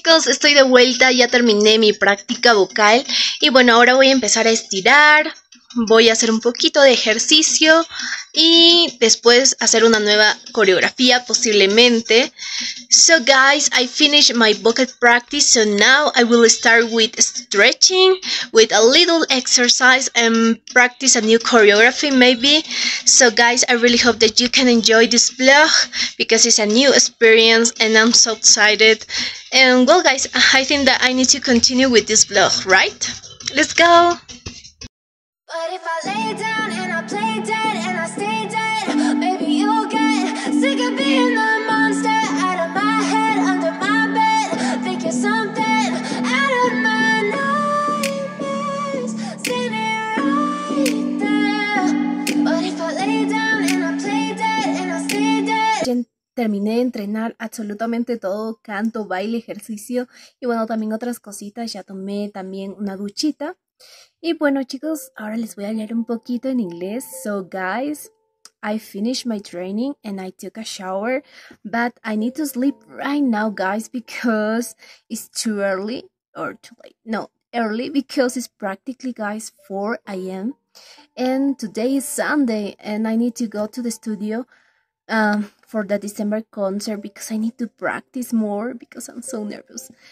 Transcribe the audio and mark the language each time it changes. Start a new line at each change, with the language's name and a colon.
Spanish: Estoy de vuelta, ya terminé mi práctica vocal y bueno, ahora voy a empezar a estirar, voy a hacer un poquito de ejercicio y después hacer una nueva coreografía posiblemente.
English: So guys, I finished my vocal practice, so now I will start with stretching, with a little exercise and practice a new choreography maybe. So guys, I really hope that you can enjoy this vlog because it's a new experience and I'm so excited. And well guys, I think that I need to continue with this vlog, right? Let's go! But if I lay down and I play dead and I stay dead, maybe you'll get sick of being the monster out of my head, under my bed, think you're something out of my nightmares. See me right there. But if I lay down and I play dead and I stay dead.
Spanish: Terminé de entrenar absolutamente todo, canto, baile, ejercicio y bueno, también otras cositas. Ya tomé también una duchita. Y bueno, chicos, ahora les voy a leer un poquito en inglés.
English: So guys, I finished my training and I took a shower, but I need to sleep right now, guys, because it's too early or too late. No, early because it's practically, guys, 4 a.m. And today is Sunday and I need to go to the studio for the December concert because I need to practice more because I'm so nervous.